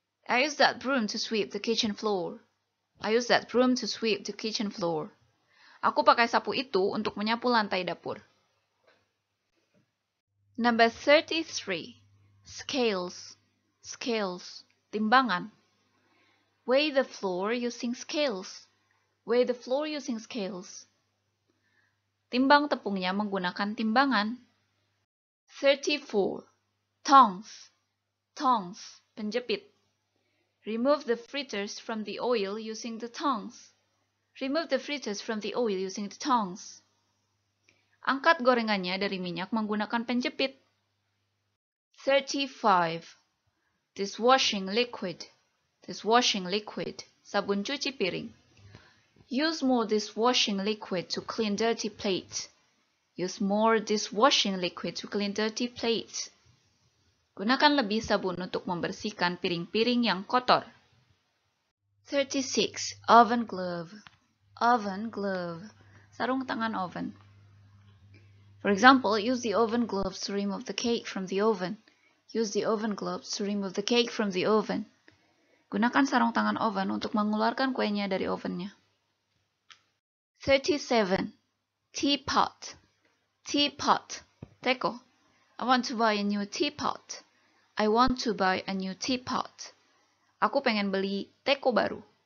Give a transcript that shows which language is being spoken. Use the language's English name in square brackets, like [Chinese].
[English] I use that broom to sweep the kitchen floor. I use that broom to sweep the kitchen floor. [Indonesian] Aku pakai sapu itu untuk menyapu lantai dapur. [English] Number 33. Scales. Scales. Timbangan. Weigh the floor using scales. Weigh the floor using scales. [Indonesian] Timbang tepungnya menggunakan timbangan. [English] 34. Tongs. Tongs. Penjepit. Remove the fritters from the oil using the tongs. Remove the fritters from the oil using the tongs. [Indonesian] Angkat gorengannya dari minyak menggunakan penjepit. [English] 35. Dishwashing liquid. Dishwashing liquid. [Indonesian] Sabun cuci piring. [English] Use more dishwashing liquid to clean dirty plate. Use more dishwashing liquid to clean dirty plate. [Indonesian] Gunakan lebih sabun untuk membersihkan piring-piring yang kotor. [English] 36. Oven glove. Oven glove. [Indonesian] Sarung tangan oven. [English] For example, use the oven gloves to remove the cake from the oven. Use the oven gloves to remove the cake from the oven. [Indonesian] Gunakan sarung tangan oven untuk mengeluarkan kuenya dari ovennya. [English] 37. Teapot. Teapot. Teko. I want to buy a new teapot. I want to buy a new teapot. [Indonesian] Aku pengen beli teko baru.